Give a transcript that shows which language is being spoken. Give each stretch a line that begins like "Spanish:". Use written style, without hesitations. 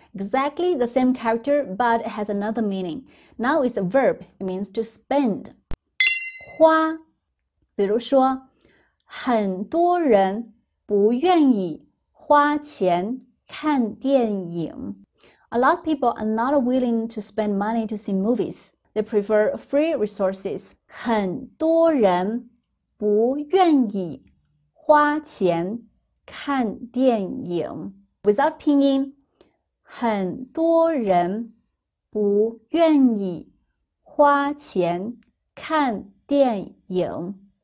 English: Exactly the same character, but it has another meaning. Now it's a verb. It means to spend.
Chinese: 花，比如说，很多人不愿意花钱看电影。
English: A lot of people are not willing to spend money to see movies. They prefer free resources.
Chinese: 很多人不愿意花钱看电影
English: ，without 拼音，
Chinese: 很多人不愿意花钱看电影。